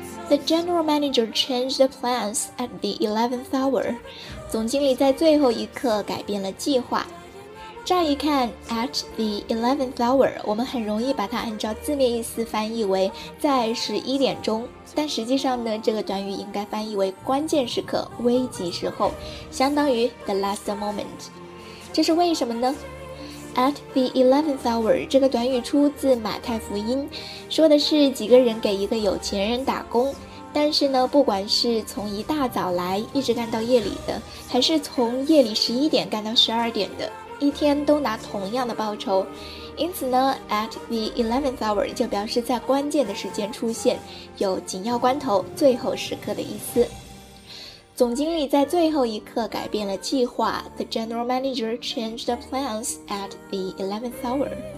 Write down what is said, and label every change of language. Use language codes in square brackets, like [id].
[en] The general manager changed the plans at the 11th hour. [zh] 总经理在最后一刻改变了计划。乍一看 [en] at the 11th hour， [zh] 我们很容易把它按照字面意思翻译为在11点钟，但实际上呢，这个短语应该翻译为关键时刻、危急时候，相当于 [en] the last moment。 [zh] 这是为什么呢？ [en] At the 11th hour [zh] 这个短语出自马太福音，说的是几个人给一个有钱人打工，但是呢，不管是从一大早来一直干到夜里的，还是从夜里11点干到12点的，一天都拿同样的报酬。因此呢， [en] at the 11th hour [zh] 就表示在关键的时间出现，有紧要关头、最后时刻的意思。总经理在最后一刻改变了计划。 [en] The general manager changed the plans at the 11th hour.